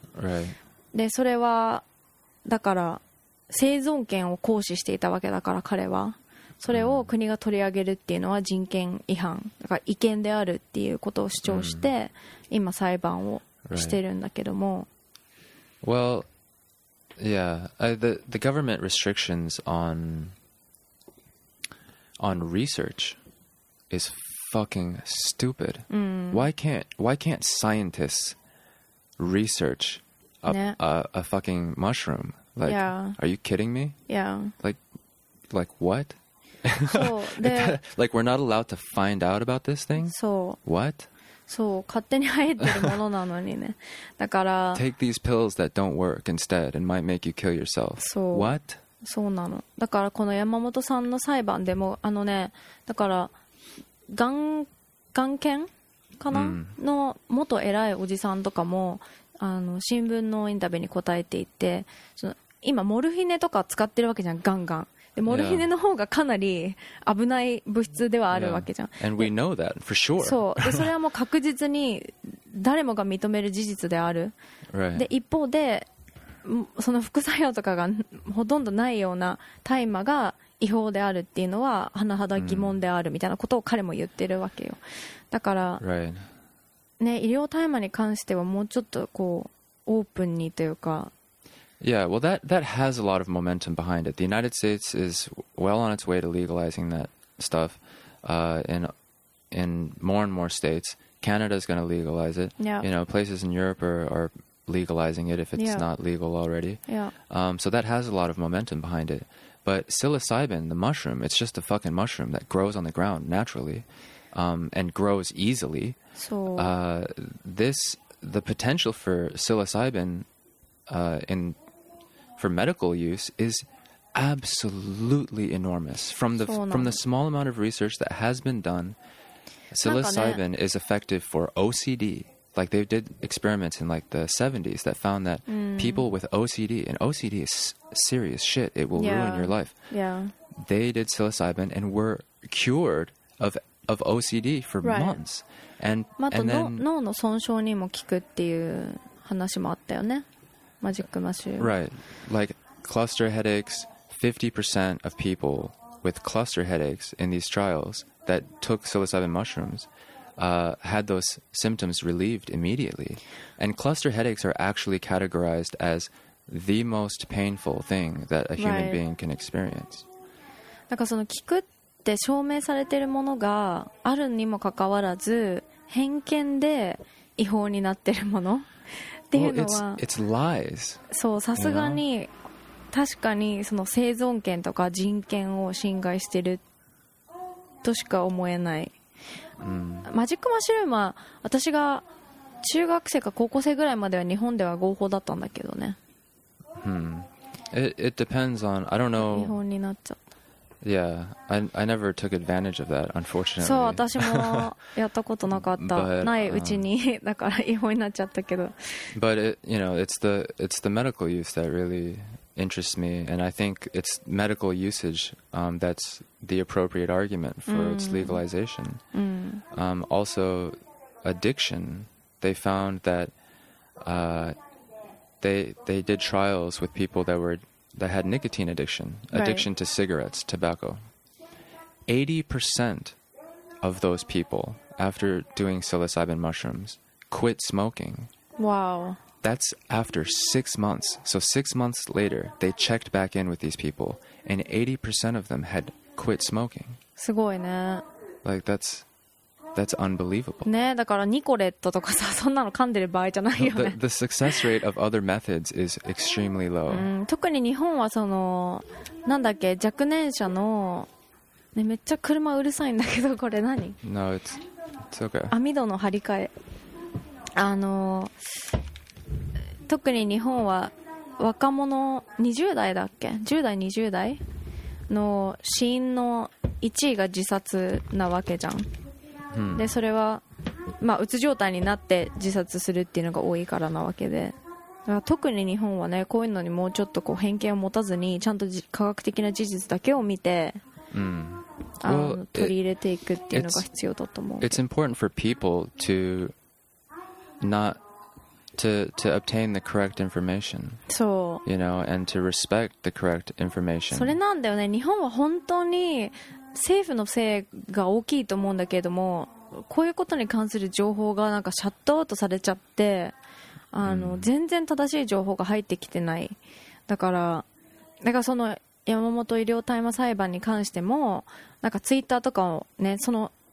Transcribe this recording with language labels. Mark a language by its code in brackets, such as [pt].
[en] right. [ja] でそれはだから生存権を行使していたわけだから、彼はそれを国が取り上げるっていうのは人権違反だから違憲であるっていうことを主張して、うん、今裁判をしてるんだけども、 [en] right. Well, yeah, the government restrictions on research is fucking stupid. Mm. Why can't scientists research a fucking mushroom? Like, yeah. Are you kidding me? Yeah. Like what? So, like we're not allowed to find out about this thing? So. What? [ja] そう、勝手に入ってるものなのにね。だから [en] Take these pills that don't work instead and might make you kill yourself. [ja] そう。 [en] What? [ja] そうなの。だからこの山本さんの裁判でも、あのね、だから眼検かな、の元偉いおじさんとかも、あの新聞のインタビューに答えていて、その今モルフィネとか使ってるわけじゃん、ガンガン。でモルヒネの方がかなり危ない物質ではあるわけじゃん。 [en] Yeah. And we know that for sure. [ja] そう。でそれはもう確実に誰もが認める事実である。 [en] Right. [ja] で一方でその副作用とかがほとんどないような大麻が違法であるっていうのは甚だ疑問であるみたいなことを彼も言ってるわけよ。だから、 [en] right. [ja] ね、医療大麻に関してはもうちょっとこうオープンにというか。 [en] Yeah, well, that has a lot of momentum behind it. The United States is well on its way to legalizing that stuff in more and more states. Canada is going to legalize it. Yeah. You know, places in Europe are legalizing it if it's yeah. not legal already. Yeah. So that has a lot of momentum behind it. But psilocybin, the mushroom, it's just a fucking mushroom that grows on the ground naturally and grows easily. So the potential for psilocybin for medical use is absolutely enormous. From the small amount of research that has been done, psilocybin is effective for OCD. Like they did experiments in like the 70s that found that people with OCD, and OCD is serious shit, it will ruin your life. Yeah. They did psilocybin and were cured of OCD for months. And then [ja] 脳の損傷にも効くっていう話もあったよね。マジックマッシュ。 [en] Right. Like cluster headaches, 50% of people with cluster headaches in these trials that took psilocybin mushrooms had those symptoms relieved immediately. And cluster headaches are actually categorized as the most painful thing that a human right. being can experience. [ja] なんかその効くって証明されてるものがあるにもかかわらず、偏見で違法になってるもの。 [en] Well, it's lies. [ja] そう、さすがに確かにその生存権とか人権を侵害してるとしか思えない。マジックマッシュルームは私が中学生か高校生ぐらいまでは日本では合法だったんだけどね。 [en] It depends on I don't know. [ja] 日本になっちゃった。 [en] Yeah, I never took advantage of that, unfortunately. [ja] そう、私もやったことなかった。ないうちに、だから違法になっちゃったけど。 [en] But, you know, it's the medical use that really interests me, and I think it's medical usage that's the appropriate argument for its legalization. Also, addiction. They found that they did trials with people that had nicotine addiction, addiction right. to cigarettes, tobacco. 80% of those people, after doing psilocybin mushrooms, quit smoking. Wow. That's after 6 months. So 6 months later, they checked back in with these people, and 80% of them had quit smoking. [ja] すごいね。 [en] Like, that's unbelievable. [ja] ね、だからニコレットとかさ、そんなの噛んでる場合じゃないよね。 [en] The success rate of other methods is extremely low. [ja] 特に日本はその、なんだっけ、若年者の、ね、めっちゃ車うるさいんだけど、これ何 [en] ?No, it's okay. [ja] 網戸の張り替え。あの、特に日本は若者、20代だっけ ?10 代、20代の死因の1位が自殺なわけじゃん。でそれは、まあ、うつ状態になって自殺するっていうのが多いからなわけで、だから特に日本はね、こういうのにもうちょっとこう偏見を持たずに、ちゃんと科学的な事実だけを見て、取り入れていくっていうのが必要だと思う。 [en] It's important for people to not to obtain the correct information. [ja] そう。 [en] You know, and to respect the correct information. [ja] それなんだよね。日本は本当に政府のせいが大きいと思うんだけれども、こういうことに関する情報がなんかシャットアウトされちゃって、あの、全然正しい情報が入ってきてない。だからその山本医療大麻裁判に関しても、なんかツイッターとかをね、その